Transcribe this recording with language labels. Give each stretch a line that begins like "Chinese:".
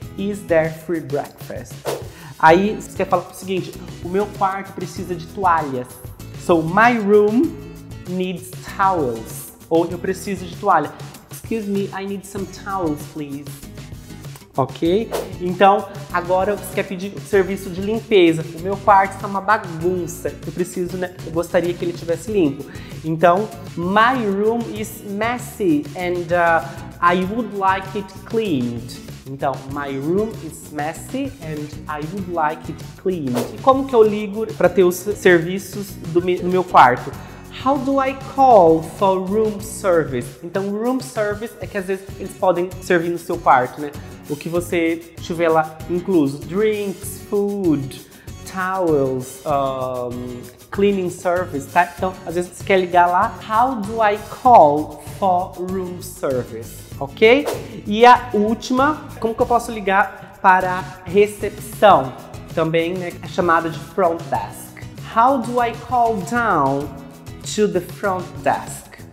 English: Is there free breakfast?
Portuguese: Aí você quer falar o seguinte, o meu quarto precisa de toalhas.
English: So, my room needs towels.
Portuguese: Ou eu preciso de toalha.
English: Excuse me, I need some towels, please. Ok?
Portuguese: Então, agora você quer pedir serviço de limpeza. O meu quarto está uma bagunça. Eu preciso, né? Eu gostaria que ele estivesse limpo.
English: Então, my room is messy and I would like it cleaned.
Portuguese: Então,
English: my room is messy and I would like it cleaned.
Portuguese: E como que eu ligo para ter os serviços do meu quarto?
English: How do I call for room service?
Portuguese: Então, room service é que às vezes eles podem servir no seu quarto, né? o que você tiver lá, incluso
English: drinks, food, towels, cleaning service,
Portuguese: tá? Então, às vezes você quer ligar lá,
English: how do I call for room service,
Portuguese: ok? E a última, como que eu posso ligar para recepção? Também, né, é chamada de front desk.
English: How do I call down to the front desk?